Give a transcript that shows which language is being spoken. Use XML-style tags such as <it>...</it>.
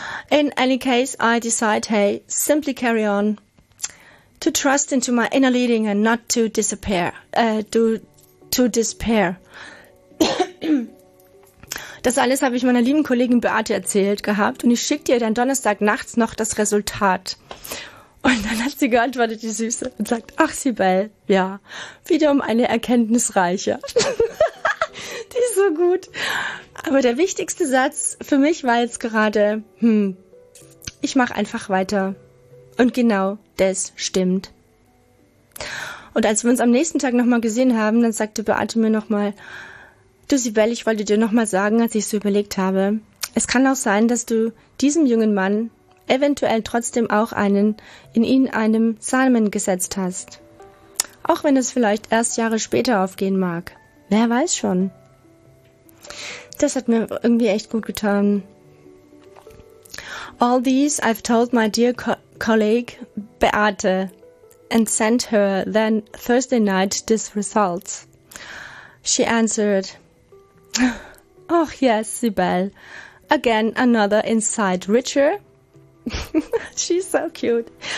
<en>In any case, I decide, hey, simply carry on. To trust into my inner leading and not to disappear, to despair.</en> <de>Das alles habe ich meiner lieben Kollegin Beate erzählt gehabt und ich schickte ihr dann Donnerstag nachts noch das Resultat. Und dann hat sie geantwortet, die Süße, und sagt, ach Sibel, ja, wiederum eine erkenntnisreiche. Die ist so gut. Aber der wichtigste Satz für mich war jetzt gerade, ich mache einfach weiter. Und genau das stimmt. Und als wir uns am nächsten Tag nochmal gesehen haben, dann sagte Beate mir nochmal, du Sibel, ich wollte dir nochmal sagen, als ich so überlegt habe, es kann auch sein, dass du diesem jungen Mann eventuell trotzdem auch einen in ihn einem Samen gesetzt hast. Auch wenn es vielleicht erst Jahre später aufgehen mag. Wer weiß schon. Das hat mir irgendwie echt gut getan.</de> <en>All these I've told my dear colleague Beate and sent her then Thursday night this result. She answered, oh yes, Sibel, again another inside richer. She's so cute.</en>